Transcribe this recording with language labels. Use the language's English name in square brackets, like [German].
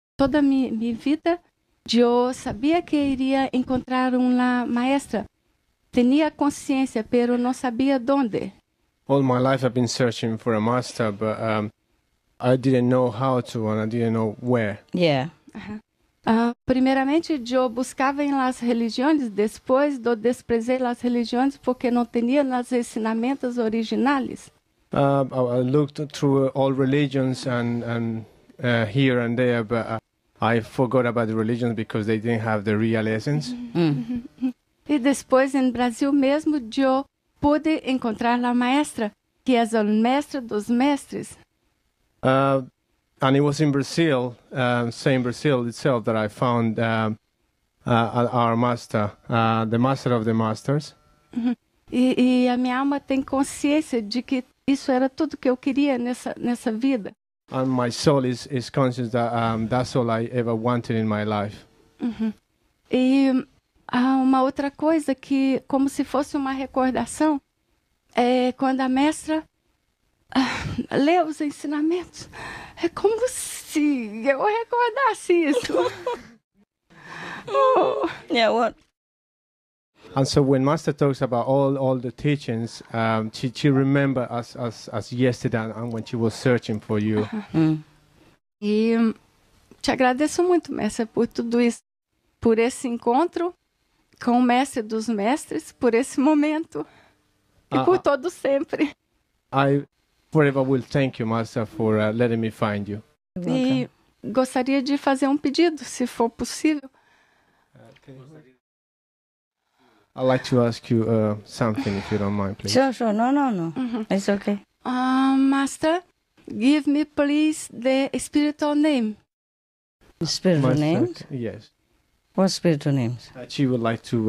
[Spanish] toda mi vida, yo sabía que iría encontrar una maestra. Tenía conciencia, pero no sabía dónde. [English] All my life I've been searching for a master, but I didn't know how to and I didn't know where. Yeah. [Spanish] Primeramente, yo buscaba en las religiones, después yo desprecié las religiones porque no tenía los ensinamientos originales. [English] I looked through all religions and here and there, but I forgot about the religions because they didn't have the real essence. [Spanish] Y después en Brasil mismo yo pude encontrar la maestra, que es el maestro [Portuguese] dos mestres. [English] And it was in Brazil, same Brazil itself, that I found our master, the master of the masters. [Spanish] Y a mi alma [Portuguese] tem consciência de que isso era tudo que eu queria nessa vida. [English] And my soul is conscious that that's all I ever wanted in my life. [Portuguese] E uma outra coisa que, como se fosse uma recordação, é quando a mestra lê os ensinamentos. É como se eu recordasse isso. [English] Yeah, what? And so when Master talks about all the teachings, she remembers as yesterday and when she was searching for you. [Portuguese] Te agradeço muito, mestre, por tudo isso, por esse encontro com o mestre dos mestres, por esse momento e por todo sempre. [English] I forever will thank you, Master, for letting me find you. [Portuguese] E gostaria de fazer pedido, se for possível. [English] I'd like to ask you something, if you don't mind, please. Sure. No. Mm-hmm. It's okay. Master, give me, please, the spiritual name. Spiritual name? Yes. What spiritual names? She would like to...